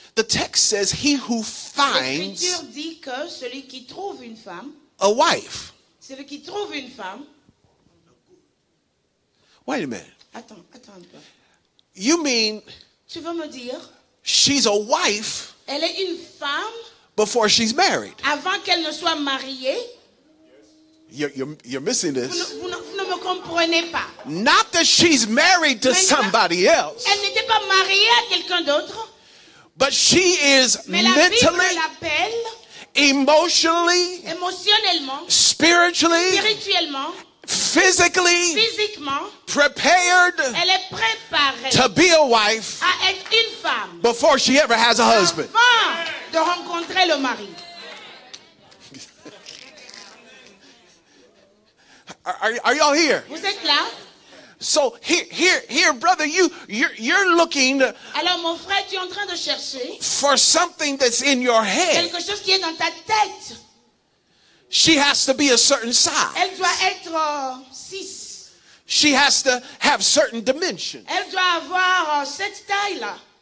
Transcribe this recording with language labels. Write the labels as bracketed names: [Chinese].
[English] The text says he who finds [French] L'Écriture dit que celui qui trouve une femme, [English] a wife. [French] Celui qui trouve une femme. [English] Wait a minute. [French] Attends un peu. [English] You mean [French] tu veux me dire [English] she's a wife. [French] Elle est une femme [English] before she's married. [French] Avant qu'elle ne soit mariée. [English] You're missing this. [French] Vous ne me comprenez pas. [English] Not that she's married to somebody else. [French] Elle n'était pas mariée à quelqu'un d'autre. [English] But she is mentally, emotionally, spiritually, physically prepared to be a wife before she ever has a husband. [French] De rencontrer le mari. [English] Are y'all here? [French] Vous êtes là? [English] So here, brother, you're looking. [French] Alors, mon frère, tu es en train de chercher [English] for something that's in your head. [French] Quelque chose qui est dans ta tête. [English] She has to be a certain size. [French] Elle doit être six. [English] She has to have certain dimensions. [French] Elle doit avoir cette taille-là.